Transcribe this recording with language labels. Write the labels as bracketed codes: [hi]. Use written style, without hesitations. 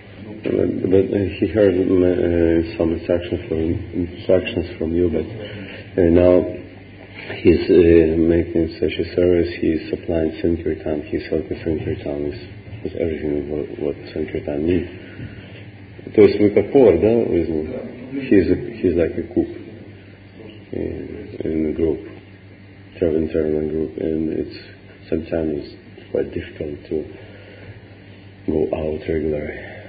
[en] He heard some instructions from you, but now he's making such a service. He's supplying Sankirtan. He's helping Sankirtan with everything what Sankirtan needs. [ru] То есть мы как повар, да, возьму. [en] He's like a cook in a group, internal group, and it's sometimes quite difficult to go out regularly.